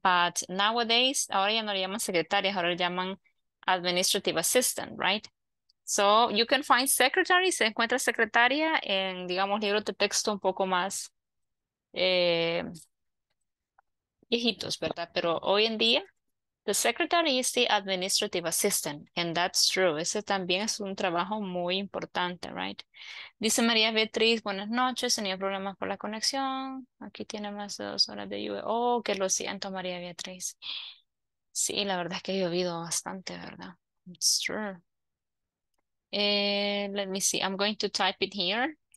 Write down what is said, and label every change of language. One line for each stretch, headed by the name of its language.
English: But nowadays,
Spanish: ahora ya no le llaman secretaria, ahora le llaman administrative assistant, right?
English: So you can find secretary,
Spanish: se encuentra secretaria en, digamos, libro de texto un poco más viejitos, ¿verdad? Pero hoy en día,
English: the secretary is the administrative assistant, and that's true.
Spanish: Ese también es un trabajo muy importante, right? Dice María Beatriz, buenas noches, tenía problemas con la conexión. Aquí tiene más de 2 horas de lluvia. Oh, que lo siento, María Beatriz. Sí, la verdad es que ha llovido bastante, ¿verdad?
English: It's true. Let me see, I'm going to type it here.